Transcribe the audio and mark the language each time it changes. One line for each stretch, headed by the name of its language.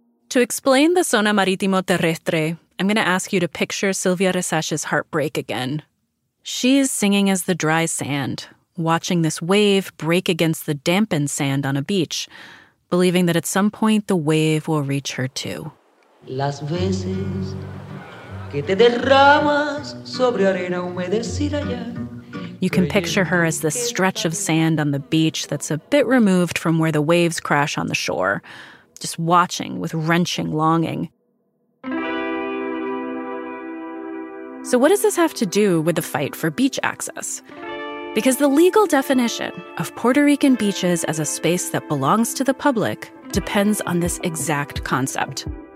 English: To explain the zona marítimo terrestre, I'm going to ask you to picture Silvia Resach's heartbreak again. She is singing as the dry sand, watching this wave break against the dampened sand on a beach, believing that at some point the wave will reach her too.
Spanish: Las veces que te derramas sobre arena humedecida ya.
English: You can picture her as this stretch of sand on the beach that's a bit removed from where the waves crash on the shore, just watching with wrenching longing. So what does this have to do with the fight for beach access? Because the legal definition of Puerto Rican beaches as a space that belongs to the public depends on this exact concept.